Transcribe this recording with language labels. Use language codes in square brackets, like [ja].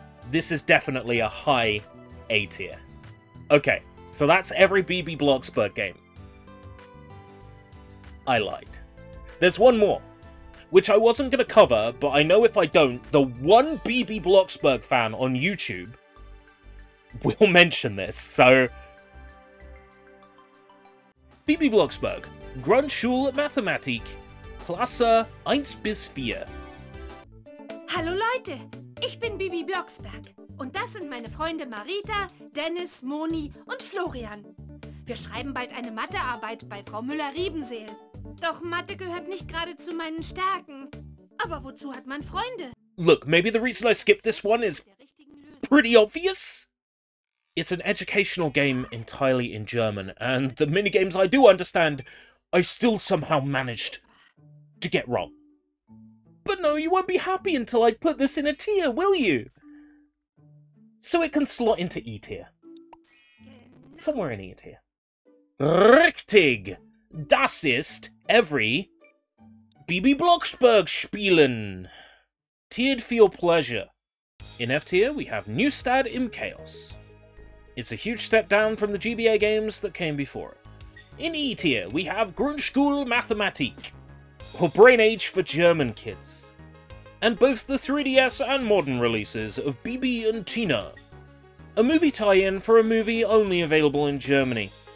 [en] This is definitely a high A tier. Okay, so that's every Bibi Blocksberg game. I lied. There's one more, which I wasn't going to cover, but I know if I don't, the one Bibi Blocksberg fan on YouTube will mention this, so... [de] Bibi Blocksberg, Grundschule Mathematik, Klasse 1 bis 4. Hallo Leute, ich bin Bibi Blocksberg und das sind meine Freunde Marita, Dennis, Moni und Florian. Wir schreiben bald eine Mathearbeit bei Frau Müller-Riebenseel. Doch Mathe gehört nicht gerade zu meinen Stärken. Aber wozu hat man Freunde? [en] Look, maybe the reason I skipped this one is pretty obvious. It's an educational game entirely in German, and the minigames I do understand, I still somehow managed to get wrong. But no, you won't be happy until I put this in a tier, will you? So it can slot into E tier. Somewhere in E tier. [de] Richtig! Das ist [en] every Bibi Blocksberg [de] spielen. [en] Tiered for your pleasure. In F tier, we have Neustadt Im Chaos. It's a huge step down from the GBA games that came before it. In E tier, we have Grundschule Mathematik, or Brain Age for German kids. And both the 3DS and modern releases of Bibi and Tina, a movie tie-in for a movie only available in Germany.